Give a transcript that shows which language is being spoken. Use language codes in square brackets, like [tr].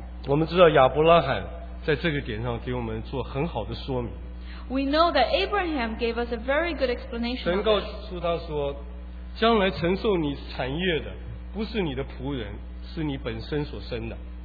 [zh] 我们知道亚伯拉罕在这个点上给我们做很好的说明。 [en] We know that Abraham gave us a very good explanation. [zh] 神告诉他说，将来承受你产业的不是你的仆人，是你本身所生的。